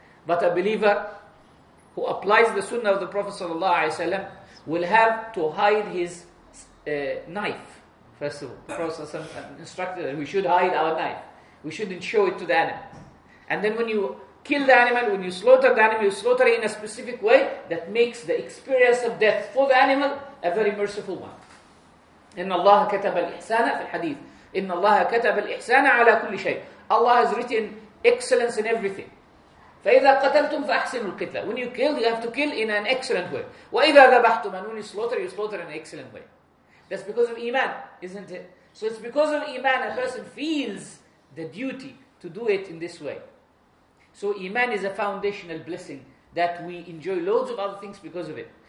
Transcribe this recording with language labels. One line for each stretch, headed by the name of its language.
English: But a believer who applies the sunnah of the Prophet ﷺ will have to hide his knife. First of all, the Prophet ﷺ instructed that we should hide our knife. We shouldn't show it to the animal. And then when you kill the animal, when you slaughter the animal, you slaughter it in a specific way that makes the experience of death for the animal a very merciful one.
Arabic: إن الله كتب الإحسان في الحديث إن الله كتب الإحسان على كل شيء.
English: Allah has written excellence in everything.
Arabic: فإذا قتلتم فأحسنوا القتلة.
English: When you kill, you have to kill in an excellent way.
Arabic: وإذا ذبحتم,
English: and when you slaughter in an excellent way. That's because of iman, isn't it? So it's because of iman a person feels the duty to do it in this way. So iman is a foundational blessing that we enjoy loads of other things because of it.